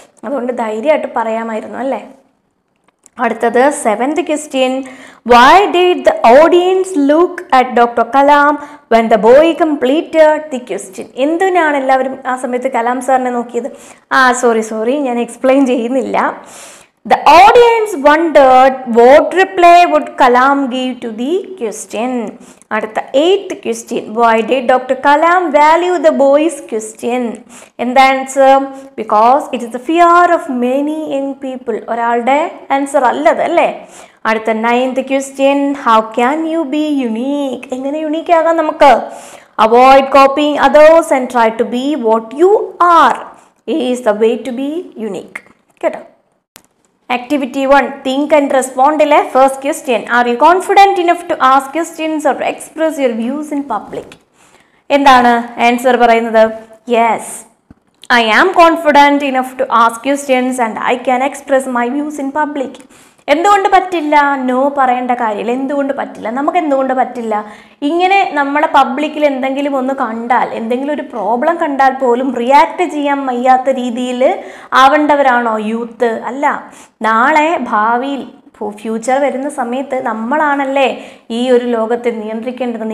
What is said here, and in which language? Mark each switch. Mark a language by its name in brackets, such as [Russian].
[Malayalam] അതുകൊണ്ട് ധൈര്യമായിട്ട് പറയാമായിരുന്നു അല്ലേ. അടുത്തത് [English] Seventh question, why did the audience look at doctor Kalam when the boy completed the question? [Malayalam] എന്തിനാണ് എല്ലാവരും ആ സമയത്ത് കലാം സാറിനെ നോക്കിയത്? ആ സോറി, ഞാൻ എക്സ്പ്ലെയിൻ ചെയ്യുന്നില്ല. [English] The audience wondered what reply would Kalam give to the question. At the eighth question, why did Dr. Kalam value the boy's question? And the answer, because it is the fear of many young people. [Malayalam] Oralde answer allathu alle. [English] At the ninth question, how can you be unique? [Malayalam] Engane unique aagam namakku? [English] Avoid copying others and try to be what you are. It is the way to be unique. [Malayalam] Keta. [English] Activity 1, think and respond ile first question, are you confident enough to ask questions or express your views in public? [Malayalam] Endana answer parayunnathu? [English] Yes, I am confident enough to ask questions and I can express my views in public. [Malayalam] എന്തുകൊണ്ട് പറ്റില്ല? No പറയേണ്ട കാര്യമില്ല. എന്തുകൊണ്ട് പറ്റില്ല? നമുക്ക് എന്തുകൊണ്ട് പറ്റില്ല? ഇങ്ങനെ നമ്മുടെ പബ്ലിക്കിൽ എന്തെങ്കിലും ഒന്ന് കണ്ടാൽ, എന്തെങ്കിലും ഒരു പ്രോബ്ലം കണ്ടാൽ പോലും റിയാക്ട് ചെയ്യാൻ വയ്യാത്ത രീതിയിൽ ആവേണ്ടവരാണോ യൂത്ത്? അല്ല. നാളെ ഭാവിയിൽ ഫ്യൂച്ചർ വരുന്ന സമയത്ത് നമ്മളാണല്ലേ ഈ ഒരു ലോകത്തെ നിയന്ത്രിക്കേണ്ടത്.